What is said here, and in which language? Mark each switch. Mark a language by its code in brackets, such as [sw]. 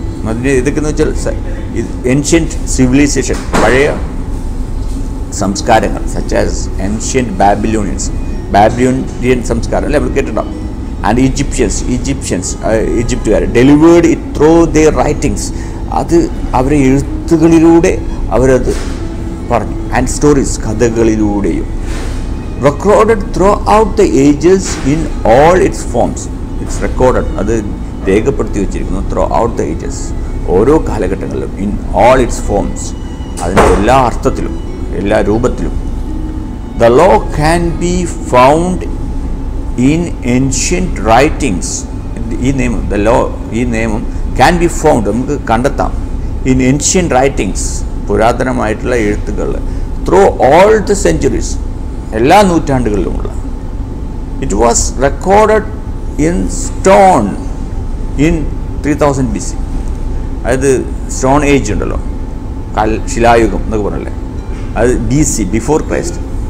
[ml] അതിൻ്റെ ഇതൊക്കെയെന്ന് വെച്ചാൽ ancient civilisation, പഴയ സംസ്കാരങ്ങൾ, [en] such as [ml] ancient Babylonians, Babylonian സംസ്കാരം അല്ലേ നമ്മൾ കേട്ടിട്ടുണ്ടാവും, ആൻഡ് ഈജിപ്ഷ്യൻസ്, ഈജിപ്ഷ്യൻസ് ഈജിപ്തുകാർ, [en] delivered it through their writings, [ml] അത് അവരുടെ എഴുത്തുകളിലൂടെ അവരത് പറഞ്ഞു, and stories കഥകളിലൂടെയും. [en] Recorded throughout the ages in all its forms. It's recorded. [ml] അത് രേഖപ്പെടുത്തി വെച്ചിരിക്കുന്നു. [en] Throughout the ages. [ml] ഓരോ കാലഘട്ടങ്ങളിലും. [en] In all its forms. [ml] അതിൻ്റെ എല്ലാ അർത്ഥത്തിലും എല്ലാ രൂപത്തിലും. [en] The law can be found in ancient writings. [ml] ഈ നിയമം, [en] the law, [ml] ഈ നിയമം [en] can be found. [ml] നമുക്ക് കണ്ടെത്താം. [en] In ancient writings. [ml] പുരാതനമായിട്ടുള്ള എഴുത്തുകൾ. [en] through all the centuries [ml] എല്ലാ നൂറ്റാണ്ടുകളിലുമുള്ള [en] it was recorded in stone in 3000 BC [ml] അതായത് സ്റ്റോൺ ഏജ് ഉണ്ടല്ലോ ശിലായുഗം എന്നൊക്കെ പറഞ്ഞല്ലേ അത് ബി സി ബിഫോർ ക്രൈസ്റ്റ്